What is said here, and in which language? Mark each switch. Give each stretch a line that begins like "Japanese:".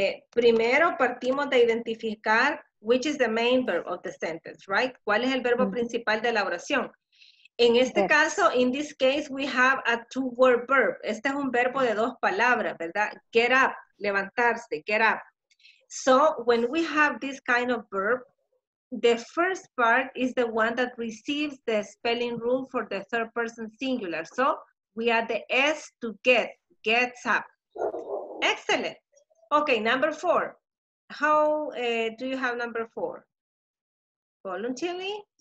Spanish: Primero partimos de identificar
English: which is the main verb of the sentence, right?
Spanish: ¿Cuál es el verbo principal de la oración? En este caso,
English: in this case, we have a two-word verb.
Spanish: Este es un verbo de dos palabras, ¿verdad?
English: Get up, levantarse, get up. So, when we have this kind of verb, the first part is the one that receives the spelling rule for the third person singular. So, we add the S to get, gets up. Excellent. Okay, number four. How do you have number four? Voluntarily?